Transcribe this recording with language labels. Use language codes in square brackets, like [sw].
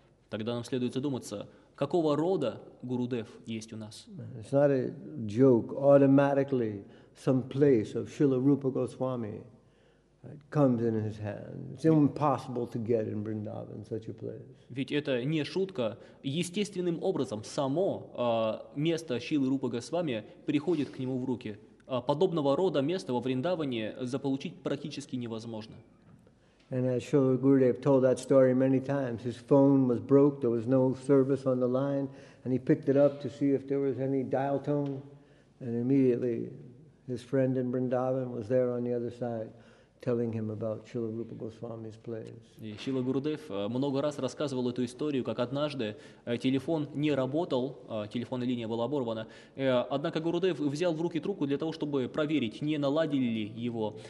[ru] Тогда нам следует задуматься, какого рода Гурудев есть у нас. [en] It's not a joke. Automatically some place of Srila Rupa Goswami comes in his hand. It's impossible to get in Vrindavan such a place. [ru] Ведь это не шутка. Естественным образом само место Шрилы Рупы Госвами приходит к нему в руки. Подобного рода место во Вриндаване заполучить практически невозможно. [en] And as Srila Gurudev told that story many times, his phone was broke, there was no service on the line, and he picked it up to see if there was any dial tone, and immediately his friend in Vrindavan was there on the other side, telling him about Srila Rupa Goswami's place. [ru] Шрила Гурудев много раз рассказывал эту историю, как однажды телефон не работал, телефонная линия была оборвана. Однако Гурудев взял в руки трубку для того, чтобы проверить, не наладили ли его.